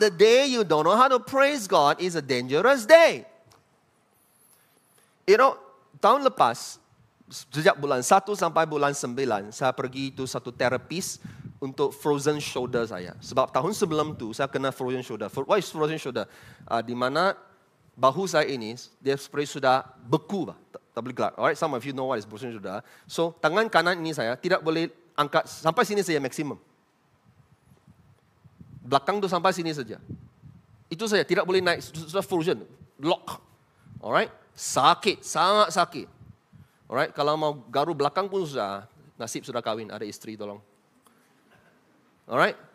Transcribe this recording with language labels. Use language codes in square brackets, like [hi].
[en] The day you don't know how to praise God is a dangerous day. You know, [ms] tahun lepas, sejak bulan 1 sampai bulan 9, saya pergi itu satu terapis untuk frozen shoulder saya. Sebab tahun sebelum tu saya kena frozen shoulder. [en] Why is frozen shoulder? [ms] Di mana bahu saya ini, dia seperti sudah beku lah. Tak boleh gelap. [en] Alright, some of you know what is frozen shoulder. [ms] So, tangan kanan ini saya tidak boleh angkat sampai sini saja maksimum. Belakang tu sampai sini saja. Itu saja, tidak boleh naik, sudah frozen. [en] Lock. [ms] Alright? Sakit, sangat sakit. Alright, kalau mau garu belakang pun sudah, nasib sudah kahwin, ada isteri tolong. Alright?